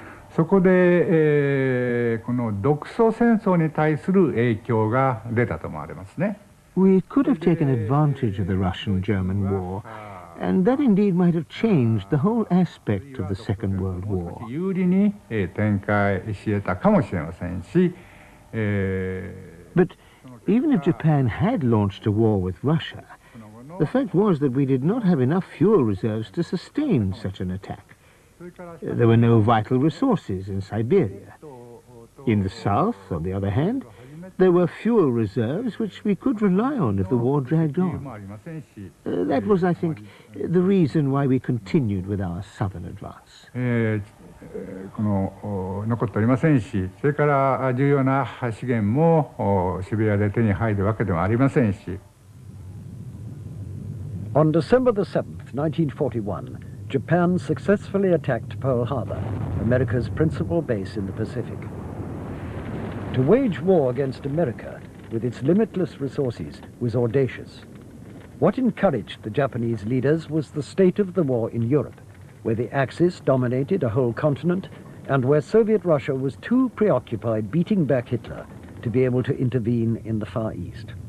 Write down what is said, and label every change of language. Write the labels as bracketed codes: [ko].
[ja] そこで、この独ソ戦争に対する影響が出たと思われますね。 [en] We could have taken advantage of the Russian-German war, and that indeed might have changed the whole aspect of the Second World War. [ja] 有利に展開し得たかもしれませんし、 [en] But even if Japan had launched a war with Russia, the fact was that we did not have enough fuel reserves to sustain such an attack. There were no vital resources in Siberia. In the south, on the other hand, there were fuel reserves which we could rely on if the war dragged on. That was, I think, the reason why we continued with our southern advance. [ja] この残っておりませんし、それから重要な資源も渋谷で手に入るわけでもありませんし。 [en] On December the 7th, 1941, Japan successfully attacked Pearl Harbor, America's principal base in the Pacific. To wage war against America with its limitless resources was audacious. What encouraged the Japanese leaders was the state of the war in Europe, where the Axis dominated a whole continent and where Soviet Russia was too preoccupied beating back Hitler to be able to intervene in the Far East.